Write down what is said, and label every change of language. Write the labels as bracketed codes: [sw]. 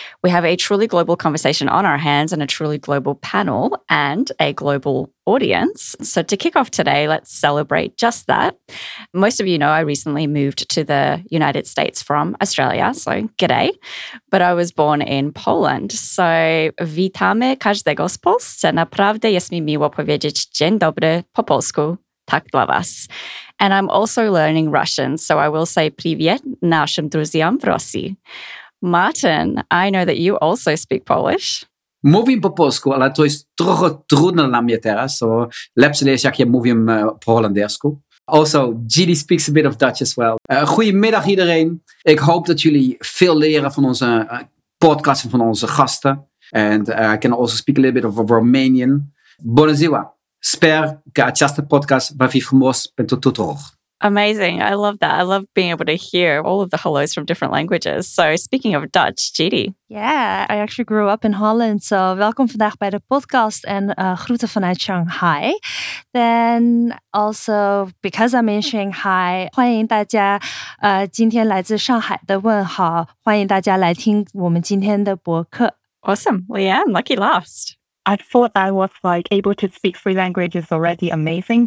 [en] We have a truly global conversation on our hands and a truly global panel and a global audience. So to kick off today, let's celebrate just that. Most of you know I recently moved to the United States from Australia, so g'day, but I was born in Poland. [pl] So witamy każdego z Polski, naprawdę jest mi miło powiedzieć dzień dobry po polsku, tak dla was. [en] And I'm also learning Russian, so I will say [ru] привет нашим друзьям в Росії. [en] Martin, I know that you also speak Polish. [pl] Mówię po polsku, ale to jest trochę trudne dla mnie teraz, so lepsze jest jak ja mówię po holendersku. [en] Also, Gidi speaks a bit of Dutch as well. [nl] Goedemiddag iedereen. Ik hoop dat jullie veel leren van onze podcast en van onze gasten. [en] And I can also speak a little bit of Romanian. [ro] Bună ziua. Sper că această podcast va fi frumos pentru tuturor. [en] Amazing. I love that. I love being able to hear all of the hellos from different languages. So speaking of Dutch, Gidi. Yeah, I actually grew up in Holland. [nl] So welcome vandaag bij de podcast en groeten vanuit Shanghai. [en] Then also, because I'm in Shanghai, [zh] 欢迎大家今天来自上海的问好, 欢迎大家来听我们今天的播客. [en] Awesome. Leanne, lucky last. I thought I was like able to speak three languages already. Amazing.